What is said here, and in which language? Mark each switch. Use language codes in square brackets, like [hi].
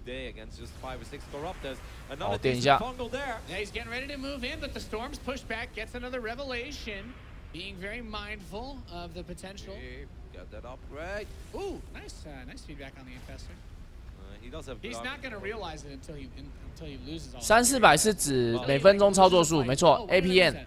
[zh] 我不觉得虫族而已呢，我觉得神族而已呢。这边虫族已经龟缩起来了。好，点一下。 [en] Yeah, he's getting ready to move in, but the storm's pushed back. Gets another revelation. Being very mindful of the potential. Got that upgrade. Ooh, nice, nice feedback on the investor. He does have. He's not gonna realize it until he loses all. [zh] 三四百是指每分钟操作数，没错 ，APN.